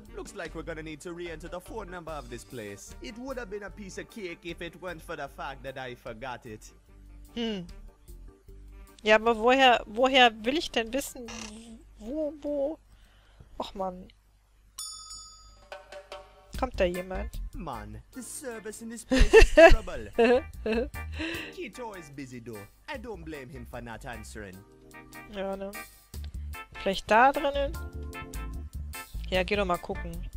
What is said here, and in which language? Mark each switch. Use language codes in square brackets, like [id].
[en] Yeah, looks like we're gonna need to re-enter the phone number of this place. It would have been a piece of cake if it weren't for the fact that I forgot it. Hm. [de] Ja, aber woher will ich denn wissen, wo? Och man. Kommt da jemand? [en] Mann, the service in this place is trouble. Kito is busy though. I don't blame him for not answering. [de] Ja, ne? Vielleicht da drinnen? Ja, geh doch mal gucken.